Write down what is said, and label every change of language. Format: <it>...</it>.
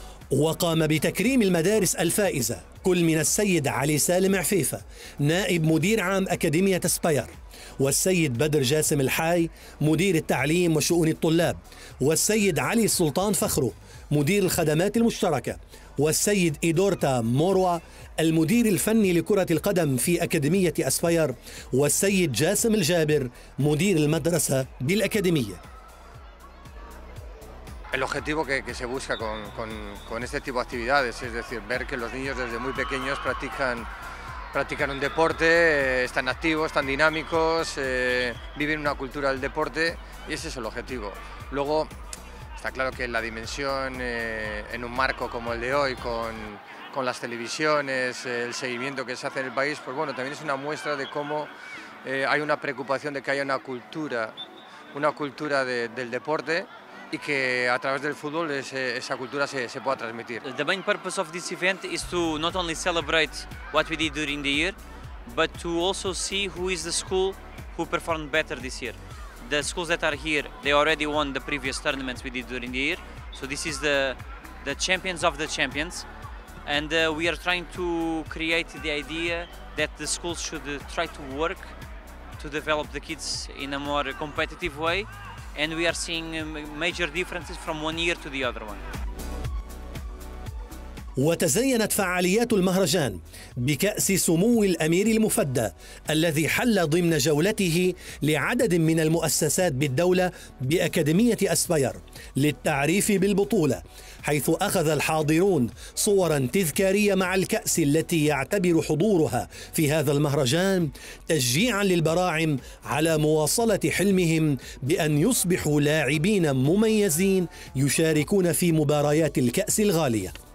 <ar>وقام بتكريم المدارس الفائزة كل من السيد علي سالم عفيفة نائب مدير عام أكاديمية أسباير، والسيد بدر جاسم الحاي مدير التعليم وشؤون الطلاب، والسيد علي السلطان فخرو مدير الخدمات المشتركة، والسيد إيدورتا موروا المدير الفني لكرة القدم في أكاديمية أسباير، والسيد جاسم الجابر مدير المدرسة بالأكاديمية.</ar> <es>El objetivo que se busca con este tipo de actividades es decir ver que los niños desde muy pequeños practican un deporte, están activos, están dinámicos, viven una cultura del deporte y ese es el objetivo. Luego, Está claro que la dimensión en un marco como el de hoy, con las televisiones, el seguimiento que se hace en el país, pues bueno, también es una muestra de cómo hay una preocupación de que haya una cultura del deporte y que a través del fútbol esa cultura se pueda transmitir.</es> <en>The main purpose of this event is to not only celebrate what we did during the year, but to also see who is the school who performed better this year. The schools that are here, they already won the previous tournaments we did during the year, so this is the champions of the champions, and we are trying to create the idea that the schools should try to work to develop the kids in a more competitive way, and we are seeing major differences from one year to the other one.</en> <ar>وتزينت فعاليات المهرجان بكأس سمو الأمير المفدى الذي حل ضمن جولته لعدد من المؤسسات بالدولة بأكاديمية أسباير للتعريف بالبطولة، حيث أخذ الحاضرون صوراً تذكارية مع الكأس التي يعتبر حضورها في هذا المهرجان تشجيعاً للبراعم على مواصلة حلمهم بأن يصبحوا لاعبين مميزين يشاركون في مباريات الكأس الغالية.</ar>